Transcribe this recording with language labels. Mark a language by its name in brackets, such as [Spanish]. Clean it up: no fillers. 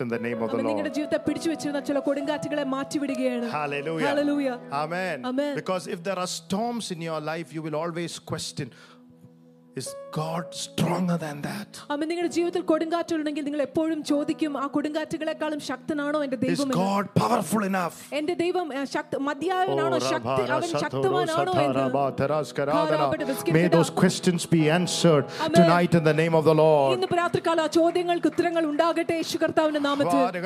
[Malayalam] നിങ്ങളുടെ ജീവിതത്തെ പിടിച്ചു വെച്ചിരുന്ന ചില കൊടുങ്കാറ്റുകളെ മാറ്റിവിടുകയാണ്. [English] Hallelujah. Amen. Because if there are storms in your life, you will always question, is God stronger than that? [Malayalam] അമ്മ നിങ്ങളുടെ ജീവിതത്തിൽ കൊടുങ്കാറ്റ് ഉണ്ടെങ്കിൽ നിങ്ങൾ എപ്പോഴും ചോദിക്കും, ആ കൊടുങ്കാറ്റുകളെക്കാളും ശക്തനാണോ എന്റെ ദൈവം? [English] Is God powerful enough? [Malayalam] എന്റെ ദൈവം മതിയായവനാണോ? ശക്തിമാനാണോ? [English] May those questions be answered tonight in the name of the Lord. [Malayalam] ഇന്ന് രാത്രി കാല ചോദ്യങ്ങൾക്ക് ഉത്തരങ്ങൾ ഉണ്ടാകട്ടെ യേശു കർത്താവിന്റെ നാമത്തിൽ.